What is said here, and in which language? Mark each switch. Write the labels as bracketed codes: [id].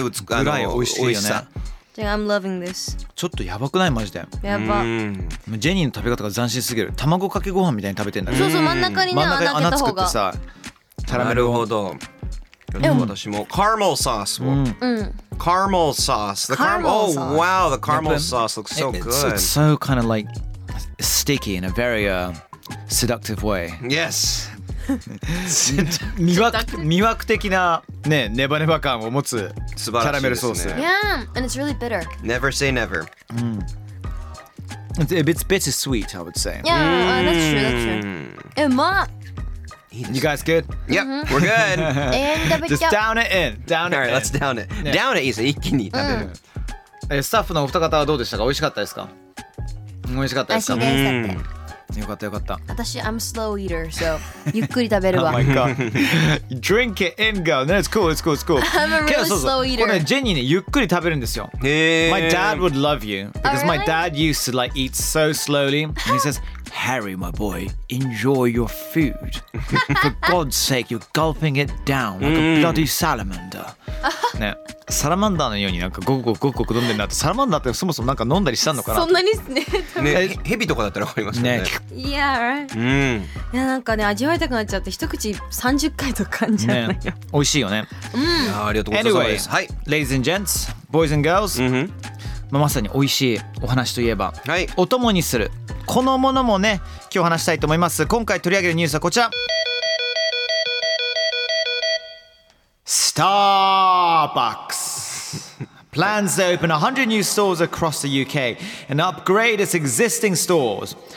[ja] ぐらい美味しいよね。 [en] I'm loving this. [ja] ちょっとやばくないマジで。やば。ジェニーの食べ方が斬新すぎる。卵かけご飯みたいに食べてんだ。そうそう、真ん中にね、穴開けた方が。真ん中に穴作ってさ。なるほど。私もカーメルソースも。カーメルソース。 [en] The caramel sauce. Oh wow, the caramel sauce looks so good. It's so kind of like sticky in a very seductive way. Yes. [ja] 魅惑的なね、ネバネバ感を持つキャラメルソース。 [en] Yeah, and it's really bitter. Never say never. It's a bit bitter sweet, I would say. Yeah, that's true. You guys good? Yep, we're good. Just down it in. Down it in. Alright, let's down it. Down it easy. [ja] 一気に食べる。スタッフのお二方はどうでしたか？美味しかったですか？美味しかったですか？よかったよかった。私、 [en] I'm slow eater, so [ja] ゆっくり食べるわ。 [en] Oh my god. Drink it and go. No, it's cool. I'm a really slow eater. [ja] これね、ジェニーね、ゆっくり食べるんですよ。 [en] My dad would love you. Because my dad used to like eat so slowly. And he says, Harry, my boy, enjoy your food. For God's sake, you're gulping it down like a bloody salamander. [ja] ね、サラマンダーのようになんかゴクゴクゴクゴク飲んでるなって、サラマンダーってそもそもなんか飲んだりしたのかな。そんなにね、ね、ヘビとかだったらわかりますよね。いや、いや、なんかね、味わいたくなっちゃって、一口30回とか感じちゃうね。美味しいよね。ありがとうございます。 [en] Anyway, [ja] はい、 [en] Ladies and gents, boys and girls、 [ja] まあ、まさに美味しいお話といえば、はい、お供にするこのものもね、今日話したいと思います。今回取り上げるニュースはこちら。 [en] Starbucks plans to open 100 new stores across the UK and upgrade its existing stores.